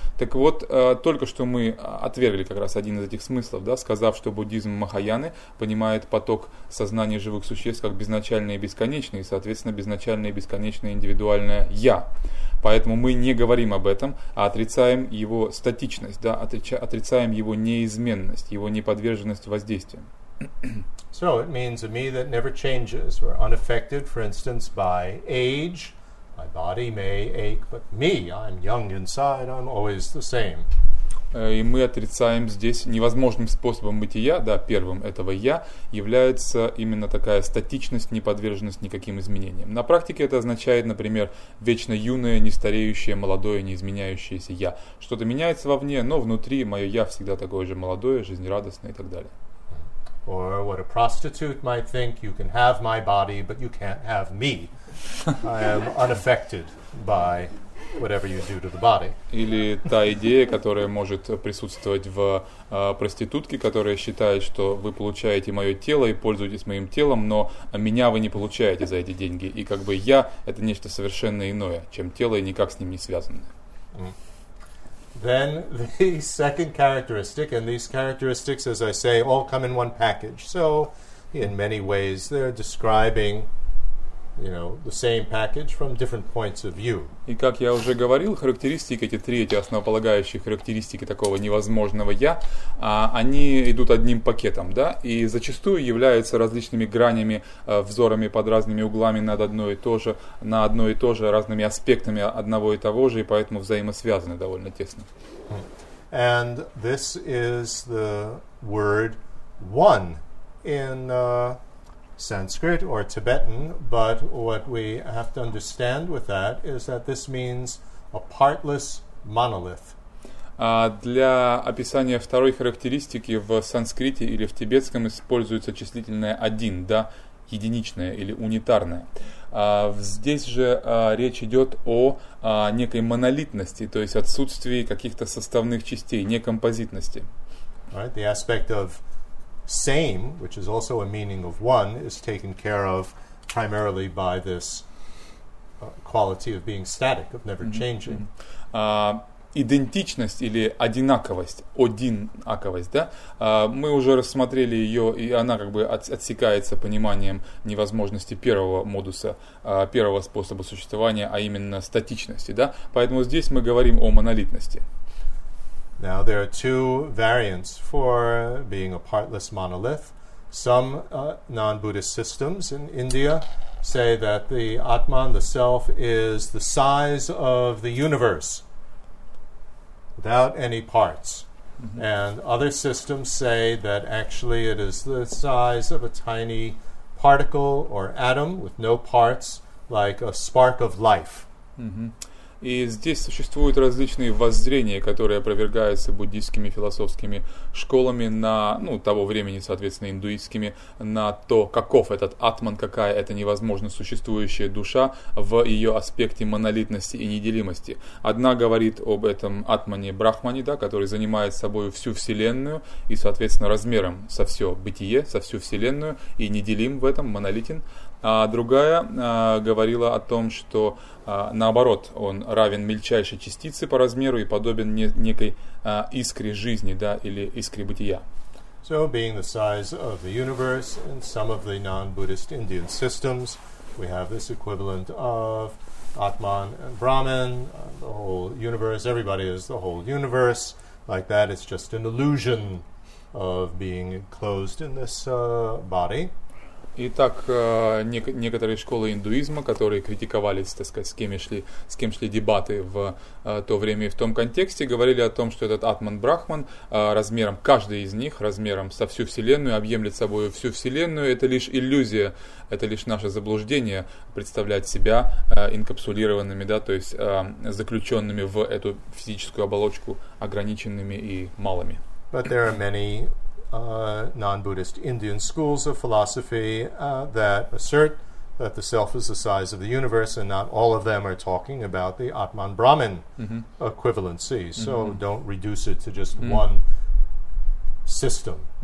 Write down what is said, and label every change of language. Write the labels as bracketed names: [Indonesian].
[Russian] Так вот, только что мы отвергли как раз один из этих смыслов, да, сказав, что буддизм Махаяны понимает поток сознания живых существ как безначальное и бесконечное, и, соответственно, безначальное и бесконечное индивидуальное «я». Поэтому мы не говорим об этом, а отрицаем его статичность, да, отрицаем его неизменность, его неподверженность воздействиям. [English] So it means a me that never changes. We're unaffected, for instance, by age. My body may ache, but me, I'm young inside, I'm always the same. [Russian] И мы отрицаем здесь невозможным способом бытия, да, первым этого «я», является именно такая статичность, неподверженность никаким изменениям. На практике это означает, например, вечно юное, нестареющее, молодое, неизменяющееся «я». Что-то меняется вовне, но внутри мое «я» всегда такое же молодое, жизнерадостное и так далее. [English] Or what a prostitute might think, you can have my body, but you can't have me. I am unaffected by whatever you do to the body. [Russian] Или та идея, которая может присутствовать в проститутке, которая считает, что вы получаете мое тело и пользуетесь моим телом, но меня вы не получаете за эти деньги. И как бы я — это нечто совершенно иное, чем тело, и никак с ним не связано. [English] Then the second characteristic, and these characteristics, as I say, all come in one package. So, in many ways, they're describing, you know, the same package from different points of view. [Russian] И как я уже говорил, характеристики эти три, эти основополагающие характеристики такого невозможного я, они идут одним пакетом, да, и зачастую являются различными гранями, взорами под разными углами над одно и то же, на одно и то же, разными аспектами одного и того же, и поэтому взаимосвязаны довольно тесно. [English] And this is the word one in Sanskrit or Tibetan, but what we have to understand with that is that this means a partless monolith. [Russian] Для описания второй характеристики в санскрите или в тибетском используется числительное один, да, единичное или унитарное. Здесь же речь идет о некой монолитности, то есть отсутствии каких-то составных частей, некомпозитности. [English] Right, the aspect of same, which is also a meaning of one, is taken care of primarily by this quality of being static, of never changing. [Russian] Идентичность или одинаковость, одинаковость, да, мы уже рассмотрели ее, и она как бы отсекается пониманием невозможности первого модуса, первого способа существования, а именно статичности, да, поэтому здесь мы говорим о монолитности. [English] Now, there are two variants for being a partless monolith. Some non-Buddhist systems in India say that the Atman, the self, is the size of the universe without any parts. Mm-hmm. And other systems say that actually it is the size of a tiny particle or atom with no parts, like a spark of life. Mm-hmm. [Russian] И здесь существуют различные воззрения, которые опровергаются буддийскими философскими школами на, ну, того времени, соответственно, индуистскими, на то, каков этот атман, какая эта невозможно существующая душа в ее аспекте монолитности и неделимости. Одна говорит об этом атмане Брахмане, да, который занимает собой всю Вселенную и, соответственно, размером со все бытие, со всю Вселенную, и неделим в этом, монолитен. А другая говорила о том, что наоборот, он равен мельчайшей частице по размеру и подобен некой искре жизни, да, или искре бытия. [English] So, being the size of the universe in some of the non-Buddhist Indian systems, we have this equivalent of Atman and Brahman, the whole universe, everybody is the whole universe, like that, it's just an illusion of being enclosed in this body. [Russian] Итак, некоторые школы индуизма, которые критиковались, так сказать, с кем шли дебаты в то время и в том контексте, говорили о том, что этот атман-брахман размером, каждый из них размером со всю Вселенную, объемлет собой всю Вселенную, это лишь иллюзия, это лишь наше заблуждение представлять себя инкапсулированными, да, то есть заключенными в эту физическую оболочку, ограниченными и малыми. [English] But there are many non-Buddhist Indian schools of philosophy that assert that the self is the size of the universe, and not all of them are talking about the Atman-Brahman equivalency. Mm-hmm. So don't reduce it to just one system.